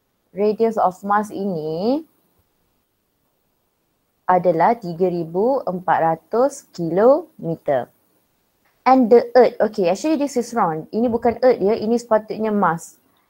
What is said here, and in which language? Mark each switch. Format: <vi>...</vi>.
<en>Radius of Mars</en> <ms>ini adalah 3,400 kilometer.</ms> <en>And the Earth, okay, actually this is wrong.</en> <ms>Ini bukan Earth ya, ini sepatutnya Mars.</ms>